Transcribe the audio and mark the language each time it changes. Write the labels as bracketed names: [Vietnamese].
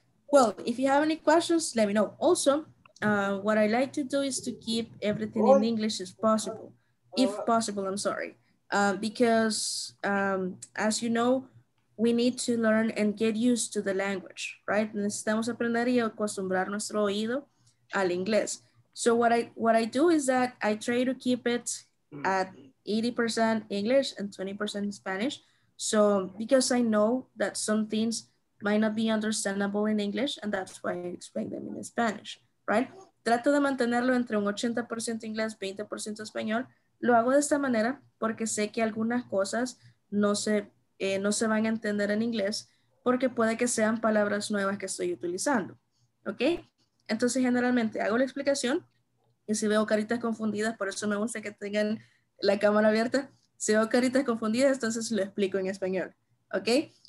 [English] Well, if you have any questions, let me know. Also, what I like to do is to keep everything in English as possible. If possible, I'm sorry. Because as you know, we need to learn and get used to the language, right? [Spanish] Necesitamos aprender y acostumbrar nuestro oído al inglés. [English] So what I do is that I try to keep it at 80% English and 20% Spanish. So because I know that some things might not be understandable in English, and that's why I explain them in Spanish, right? [Spanish] Trato de mantenerlo entre un 80% inglés, 20% español. Lo hago de esta manera porque sé que algunas cosas no se van a entender en inglés porque puede que sean palabras nuevas que estoy utilizando, ¿ok? Entonces, generalmente hago la explicación y si veo caritas confundidas, por eso me gusta que tengan la cámara abierta, si veo caritas confundidas, entonces lo explico en español, ¿ok?